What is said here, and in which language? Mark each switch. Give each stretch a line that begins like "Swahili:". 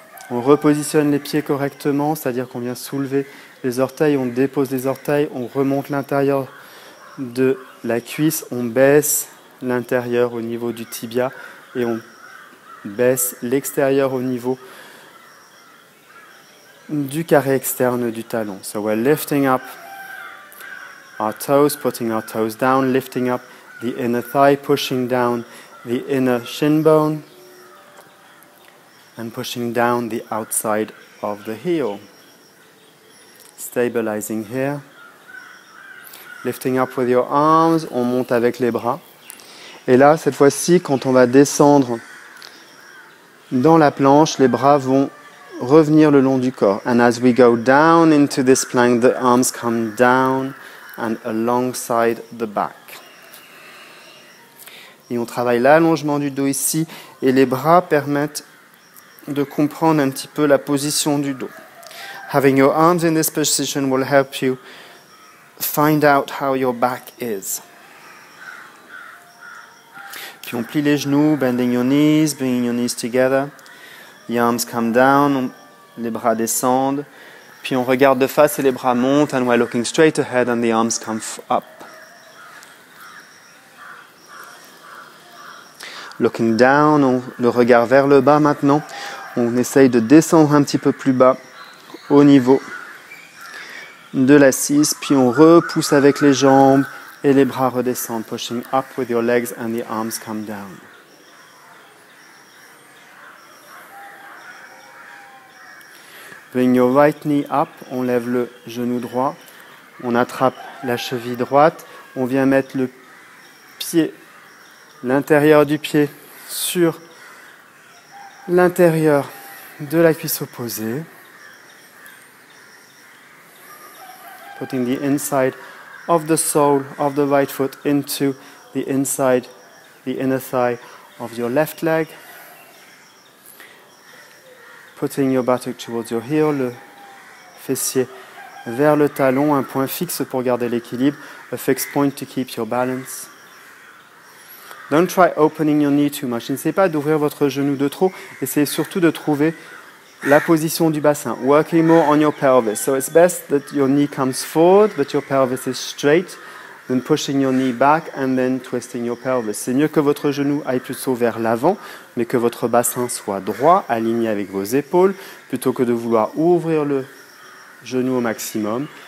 French: On repositionne les pieds correctement, c'est-à-dire qu'on vient soulever les orteils, on dépose les orteils, on remonte l'intérieur de la cuisse, on baisse l'intérieur au niveau du tibia et on baisse l'extérieur au niveau du carré externe du talon.
English: So we're lifting up our toes, putting our toes down, lifting up the inner thigh, pushing down the inner shin bone. And pushing down the outside of the heel. Stabilizing here. Lifting up with your arms.
French: On monte avec les bras. Et là, cette fois-ci, quand on va descendre dans la planche, les bras vont revenir le long du corps.
English: And as we go down into this plank, the arms come down and alongside the back.
French: Et on travaille l'allongement du dos ici. Et les bras permettent de comprendre un petit peu la position du dos.
English: Having your arms in this position will help you find out how your back is.
French: Puis on plie les genoux,
English: bending your knees, bringing your knees together. The arms come down,
French: les bras descendent. Puis on regarde de face et les bras montent,
English: and we're looking straight ahead and the arms come up. Looking down,
French: le regard vers le bas maintenant. On essaye de descendre un petit peu plus bas au niveau de l'assise, puis on repousse avec les jambes et les bras redescendent.
English: Pushing up with your legs and the arms come down. Bring your right knee up,
French: on lève le genou droit, on attrape la cheville droite, on vient mettre le pied, l'intérieur du pied sur l'intérieur de la cuisse opposée.
English: Putting the inside of the sole of the right foot into the inside, the inner thigh of your left leg. Putting your buttock towards your heel,
French: le fessier vers le talon, un point fixe pour garder l'équilibre,
English: a fixed point to keep your balance. Don't try opening your knee too much.
French: N'essayez pas d'ouvrir votre genou de trop. Essayez surtout de trouver la position du bassin.
English: Working more on your pelvis. So it's best that your knee comes forward, but your pelvis is straight, then pushing your knee back and then twisting your pelvis.
French: C'est mieux que votre genou aille plutôt vers l'avant, mais que votre bassin soit droit, aligné avec vos épaules, plutôt que de vouloir ouvrir le genou au maximum.